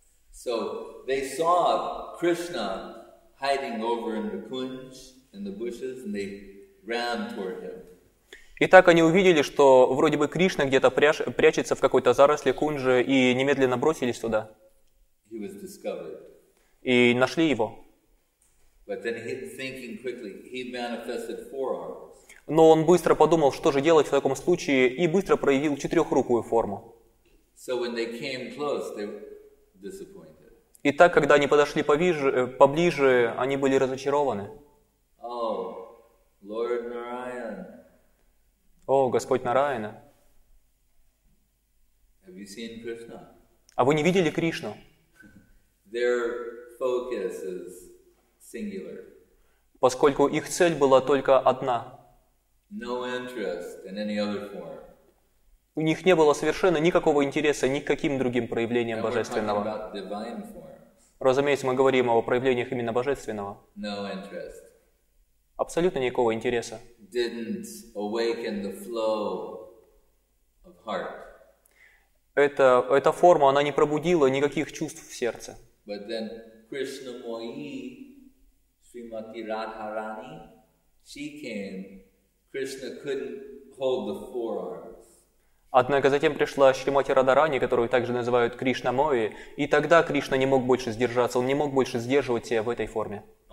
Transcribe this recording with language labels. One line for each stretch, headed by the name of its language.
English: So they saw Krishna hiding over in the kunj, in the bushes, and they ran toward him.
Russian: Итак, они увидели, что вроде бы Кришна где-то прячется в какой-то заросли кунжи, и немедленно бросились туда.
English: He was discovered.
Russian: И нашли его.
English: But then he, thinking quickly, he manifested four arms.
Russian: Но он быстро подумал, что же делать в таком случае, и быстро проявил четырехрукую форму.
English: So when they came close, they disappointed.
Russian: И так, когда они подошли поближе, они были разочарованы.
English: Oh, Lord Narayan.
Russian: О, Господь Нараяна.
English: Have you seen Krishna?
Russian: А вы не видели Кришну?
English: Their focus is singular.
Russian: Поскольку их цель была только одна.
English: No interest in any other form.
Russian: У них не было совершенно никакого интереса ни к каким другим проявлениям
English: Now
Russian: божественного. Разумеется, мы говорим о проявлениях именно божественного.
English: No interest.
Russian: Абсолютно никакого интереса.
English: Didn't awaken the flow of heart.
Russian: Эта форма, она не пробудила никаких чувств в сердце.
English: But then Krishna Moyi, Srimati Radharani, she came. Krishna couldn't hold the forearms.
Russian: Однако затем пришла Шримати Радарани, которую также называют Кришна Мои, и тогда Кришна не мог больше сдержаться, он не мог больше сдерживать себя в этой форме.